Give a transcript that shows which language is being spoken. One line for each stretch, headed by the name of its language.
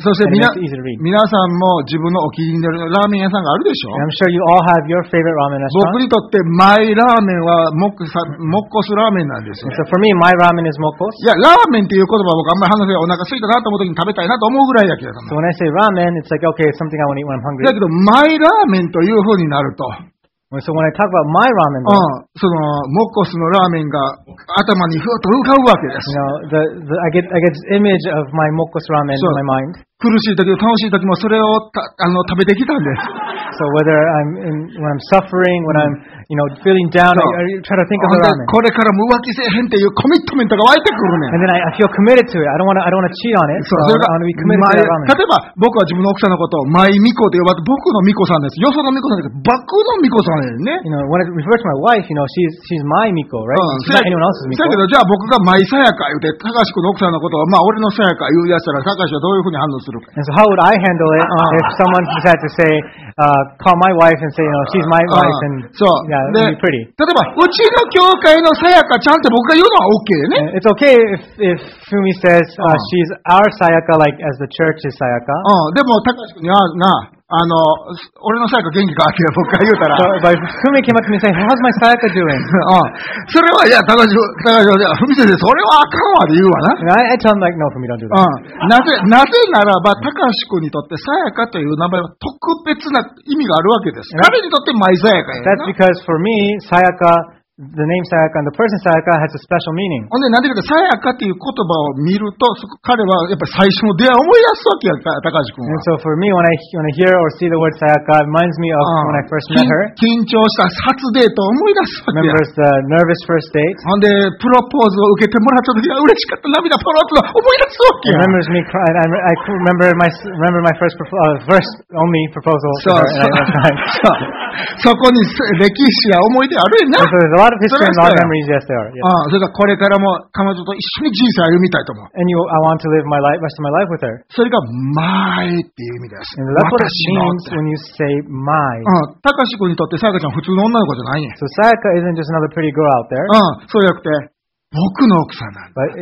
Japanese: そして
English: 皆 it's easy to read.
Japanese: 皆さんも自分のお気に入りのラーメン屋さんがあるでしょ。
English: And I'm sure you all have your favorite ramen restaurant.
Japanese: 僕にとってマイラーメンはモッコスラーメンなんですね。
English: And so for me, my ramen is モッコス。
Japanese: いや、ラーメンっていう言葉は僕あんまり話せお腹空いたなと思う時に食べたいなと思うぐらいやけども。
English: So when I say ramen, it's like okay, something I want to eat when I'm hungry.
Japanese: だけどマイラーメンというふうになると。
English: So when I talk about my ramen,
Japanese: そのモコスのラーメンが頭にふわっと浮かぶわけです。
English: You know, I get this image of my モコス ramen in my mind.
Japanese: 苦しい時も楽しい時もそれを食べてきたんです。
English: So whether I'm when I'm suffering, when I'm you know feeling down, I try to think of the ramen.
Japanese: これからも浮気せえへんっていうコミットメントが湧いてくるね。
English: And then I feel committed to it. I don't want to cheat on it. So I want to be committed to the ramen.
Japanese: 例えば僕は自分の奥さんのことをマイミコと呼ばれて僕のミコさんです。よそのミコさんです。バクのミコさんですね。
English: You know when I refer to my wife, you know she's my ミコ, right? She's not anyone else's ミコ。
Japanese: だけどじゃあ僕がマイサヤカ言って高橋君の奥さんのことをまあ俺のサヤカ言うやつら高橋はどういうふうに反応するか。
English: And so how would I handle it if someone decided to say, call my wife and say, you know, she's my wife and so, yeah.
Japanese: で例えばうちの教会のさやかちゃんって僕が言うのは OK ね。
English: It's okay if Fumi says she's our Sayaka like as the church is Sayaka。
Japanese: でも高橋君にはな俺のさやか元気かって僕が言うたら。
English: But if Fumi came up to me saying how's my Sayaka doing？
Japanese: それはいや高橋は Fumi 先生それはあかんわで言うわな。
English: And、I tell him like no Fumi don't do that。
Japanese: なぜならば高橋君にとってさやかという名前は特別な意味があるわけです。彼にとってマイさやかやな。
English: That's because for me Sayaka The name Sayaka and the person Sayaka has a special meaning.
Japanese: ほんで、なんでかって、Sayakaっていう言葉を見ると、彼はやっぱり最初の出会いを思い出すわけや、高橋君は。
English: And so for me, when I hear or see the word Sayaka, it reminds me of when I first met her.
Japanese: 緊張した初デートを思い出すわけや。
English: Remembers the nervous first date.
Japanese: ほんで、プロポーズを受けてもらった時は嬉しかった、涙ポロッと思い出すわけや。
English: Remembers me crying. I remember my first only proposal.
Japanese: そう、そこに歴史や思い出あるやな。
English: A lot of history and a lot of memories, yes, they are. Yes.
Japanese: それからこれからも彼女と一緒に人生を歩みたいと思う。
English: And I want to live my life, rest of my life with her.
Japanese: それが my っていう意味です。
English: And that's what it means when you say my.
Japanese: たかし君にとってさやかちゃん普通の女の子じゃないね。
English: So Sayaka isn't just another pretty girl out there.
Japanese: そうじゃなくて僕の奥さんなんだ。